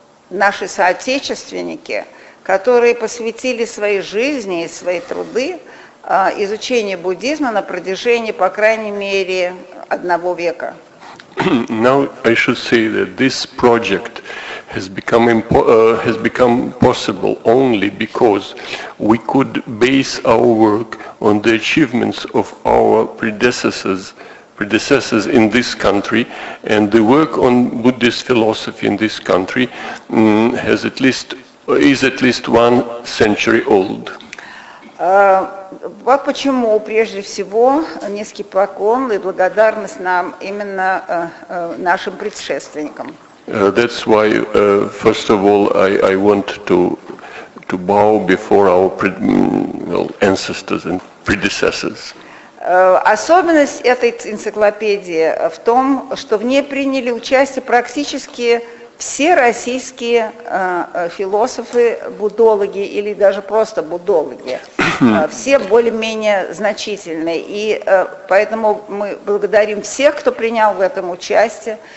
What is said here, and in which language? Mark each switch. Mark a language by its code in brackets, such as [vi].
[ru] наши соотечественники, которые посвятили свои жизни и свои труды изучению буддизма на протяжении, по крайней мере, одного века. [en] Now I should say that this project has become possible only because we could base our work on the achievements of our predecessors in this country, and the work on Buddhist philosophy in this country is at least one century old. [ru] Вот почему, прежде всего, низкий поклон и благодарность нам, именно нашим предшественникам. [en] That's why, first of all, I want to bow before our ancestors and predecessors. [ru] Особенность этой энциклопедии в том, что в ней приняли участие практически все российские философы, буддологи или даже просто буддологи. Все более-менее значительные. И поэтому мы благодарим всех, кто принял в этом участие.